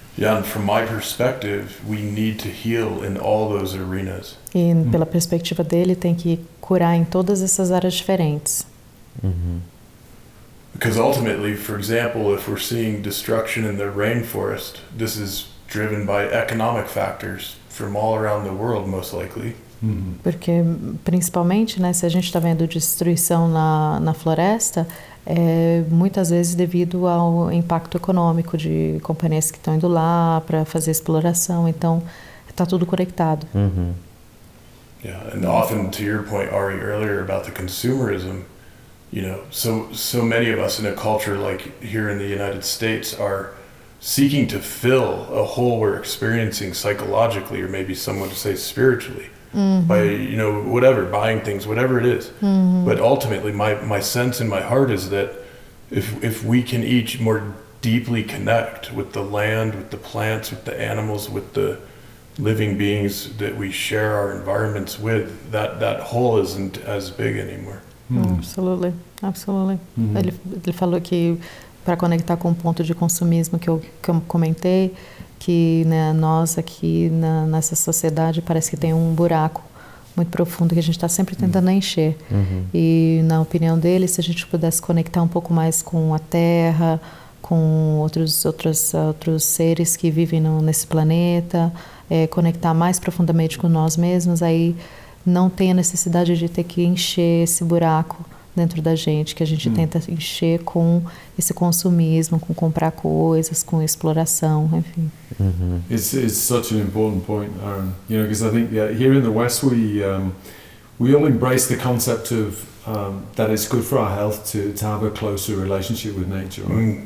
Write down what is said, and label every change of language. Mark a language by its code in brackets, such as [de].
[en] Yeah, and from my perspective, we need to heal in all those arenas. [pt] E pela perspectiva dele, tem que curar em todas essas áreas diferentes. Uhum. [en] Because ultimately, for example, if we're seeing destruction in the rainforest, this is driven by economic factors from all around the world, most likely. [pt] Porque principalmente, né, se a gente está vendo destruição na floresta, muitas vezes devido ao impacto econômico de companhias que estão indo lá para fazer exploração, então está tudo conectado. Uhum. [en] Yeah, and often to your point, Ari, earlier about the consumerism, you know, so many of us in a culture like here in the United States are seeking to fill a hole we're experiencing psychologically, or maybe someone to say spiritually. Mm-hmm. By, you know, whatever, buying things, whatever it is. Mm-hmm. But ultimately, my sense in my heart is that if we can each more deeply connect with the land, with the plants, with the animals, with the living beings that we share our environments with, that hole isn't as big anymore. Mm-hmm. Absolutely, absolutely. Mm-hmm. [pt] Ele falou que para conectar com o ponto de consumismo que eu comentei, que, né, nós aqui nessa sociedade parece que tem um buraco, muito profundo que a gente está sempre tentando encher. Uhum. E na opinião dele, se a gente pudesse conectar um pouco mais com a Terra, com outros seres que vivem nesse planeta, conectar mais profundamente com nós mesmos, aí não tem a necessidade de ter que encher esse buraco dentro da gente, que a gente tenta encher com esse consumismo, com comprar coisas, com exploração, enfim. Uhum. [en] It's such an important point, Aaron. You know, because I think here in the West we all embrace the concept of that it's good for our health to have a closer relationship with nature, right?